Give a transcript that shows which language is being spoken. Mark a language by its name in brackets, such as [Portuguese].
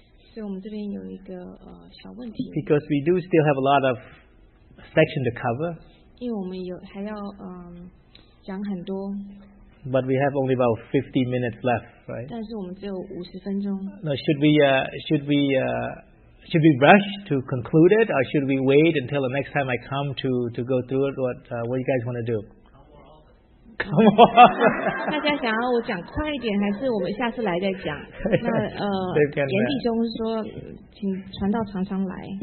[Chinese] 所以我们这边有一个小问题。 [English] Because we do still have a lot of section to cover. [Chinese] 因为我们有还要讲很多。 [English] But we have only about 50 minutes left, right? [Chinese] 但是我们只有50分钟。 [English] No, should we rush to conclude it, or should we wait until the next time I come to go through it? What do you guys want to do? Come on. [Chinese] 大家想要我讲快一点，还是我们下次来再讲？那严弟兄说，请传道常常来。